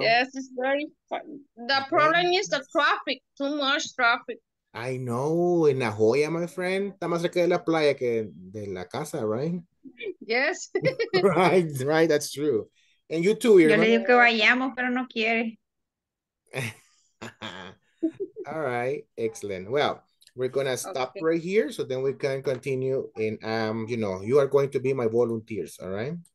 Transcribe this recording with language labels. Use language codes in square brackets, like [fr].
[en] Yes, it's very fun. The problem is the traffic, too much traffic. I know. In La Joya, my friend. [es] Está más cerca de la playa que de la casa, [en] right? Yes. Right, right. That's true. And you too, [es] Irma. Yo le digo que vayamos, pero no quiere. [en] All right, excellent. Well, we're going to stop right here so then we can continue. And, you know, you are going to be my volunteers, all right?